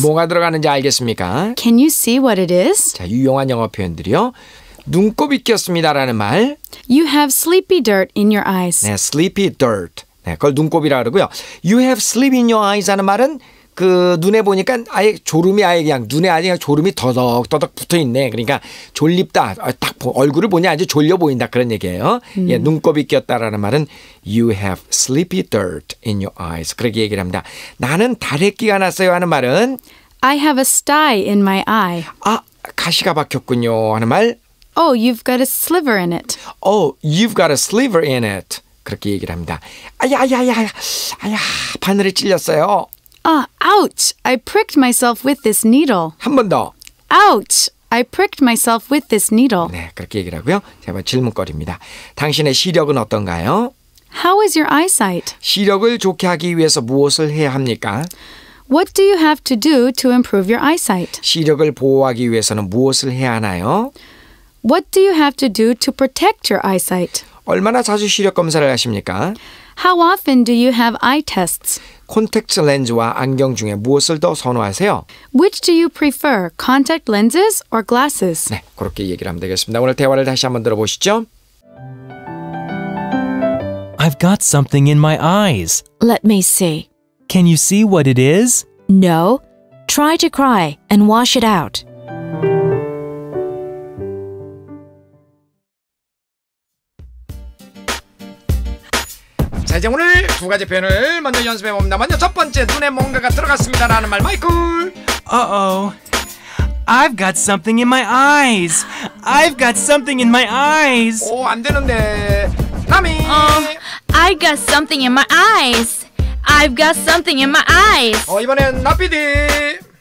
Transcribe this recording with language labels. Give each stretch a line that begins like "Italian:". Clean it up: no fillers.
Korean: 뭐가 들어가는지 알겠습니까?
English: Can you see what it is?
Korean: 자, 유용한 영어 표현들이요. 눈곱이 꼈습니다라는 말.
English: You have sleepy dirt in your eyes.
Korean: 네,
English: sleepy dirt.
Korean: 네, 그걸 눈곱이라 그러고요.
English: You have sleep in your eyes
Korean: 하는 말은 그 눈에 보니까 아예 졸음이 아예 그냥 눈에 아예 졸음이 더덕더덕 붙어있네. 그러니까 졸립다. 딱 얼굴을 보니 아주 졸려 보인다. 그런 얘기예요. 예, 눈곱이 꼈다라는 말은
English: You have sleepy dirt in your eyes.
Korean: 그렇게 얘기를 합니다. 나는 다래끼가 났어요 하는 말은
English: I have a sty in my eye.
Korean: 아, 가시가 박혔군요 하는 말
English: Oh, you've got a sliver in it. Oh, you've got a sliver in it.
Korean: 그렇게 얘기를 합니다. 아야야야야 아야, 바늘에 찔렸어요.
English: Ouch! I pricked myself with this needle.
Korean: 한 번 더.
English: Ouch! I pricked myself with this needle.
Korean: 네, 그렇게 얘기라고요. 제가 질문거리입니다. 당신의 시력은 어떤가요?
English: How is your eyesight?
Korean: 시력을 좋게 하기 위해서 무엇을 해야 합니까?
English: What do you have to do to improve your eyesight?
Korean: 시력을 보호하기 위해서는 무엇을 해야 하나요?
English: What do you have to do to protect your eyesight?
Korean: 얼마나 자주 시력 검사를 하십니까?
English: How often do you have eye tests?
Korean: 콘택트 렌즈와 안경 중에 무엇을 더 선호하세요?
English: Which do you prefer, contact lenses or glasses?
Korean: 네, 그렇게 얘기를 하면 되겠습니다. 오늘 대화를 다시 한번 들어보시죠.
English: I've got something in my eyes. Let me see. Can you see what it is? No. Try to cry and wash it out.
Korean: 이제 오늘 두 가지 표현을 먼저 연습해 봅니다. 먼저 첫 번째, 눈에 뭔가가 들어갔습니다라는 말, 마이클.
English: I've got something in my eyes. I've got something in my eyes.
Korean: 오, 안 되는데. 나미.
English: I've got something in my eyes. I've got something in my eyes.
Korean: 어, 이번엔 나피디.